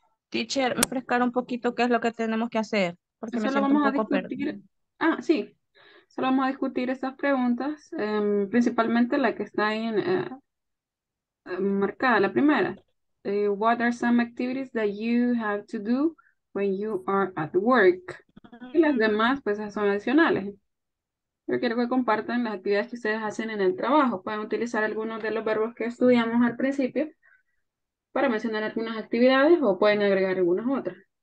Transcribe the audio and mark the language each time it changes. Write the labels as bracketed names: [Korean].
[Spanish] Teacher, me refrescar un poquito qué es lo que tenemos que hacer. Porque solo vamos a discutir. Perdida. Ah, sí. Solo vamos a discutir esas preguntas. Principalmente la que está ahí en, marcada, la primera. [English] What are some activities that you have to do when you are at work? [Spanish] Y las demás, pues, son adicionales. Yo quiero que compartan las actividades que ustedes hacen en el trabajo. Pueden utilizar algunos de los verbos que estudiamos al principio para mencionar algunas actividades o pueden agregar algunas otras.